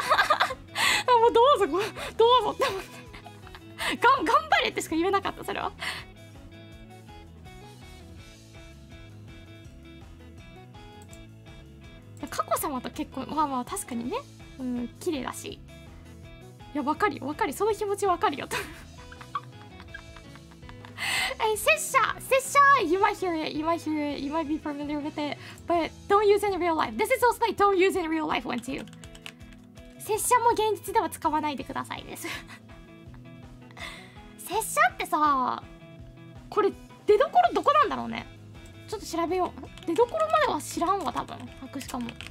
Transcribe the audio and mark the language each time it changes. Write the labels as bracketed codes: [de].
[ja] もうどうぞって思って、頑張れってしか言えなかった。それはカコ様と結婚、まあまあ確かにね、綺麗だし、いや分かるその気持ち、分かるよと。 [en] 拙者 you might be familiar with it, but don't use in real life. This is also like don't use in real life one too. [ja] 拙者も現実では使わないでくださいです。拙者ってさ、これ出どころどこなんだろうね。ちょっと調べよう。出どころまでは知らんわ、多分。白紙かも。